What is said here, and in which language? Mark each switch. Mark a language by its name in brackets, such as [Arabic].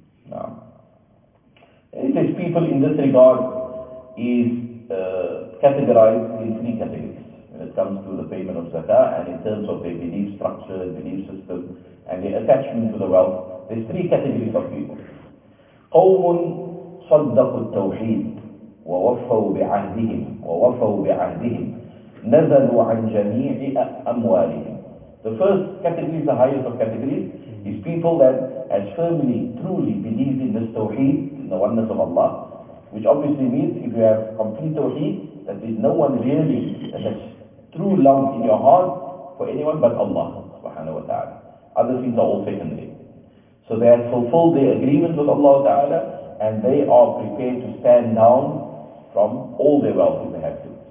[English] Now, it says people in this regard is categorized in three categories when it comes to the payment of zakah, and in terms of their belief structure, belief system, and their attachment to the wealth. There's three categories of people. [Arabic] قَوْمٌ صَدَّقُوا التَّوْحِيدُ وَوَفَّوْا بِعَهْدِهِمْ نَزَلُوا عَنْ جَمِيعِ أَمْوَالِهِمْ [English] The first category is the highest of categories. Is people that has firmly, truly believed in this tawheed, in the oneness of Allah, which obviously means if you have complete tawheed, that there's no one really that has true love in your heart for anyone but Allah subhanahu wa ta'ala. Other things are all secondary. So they have fulfilled their agreement with Allah ta'ala, and they are prepared to stand down from all their wealth if they have to.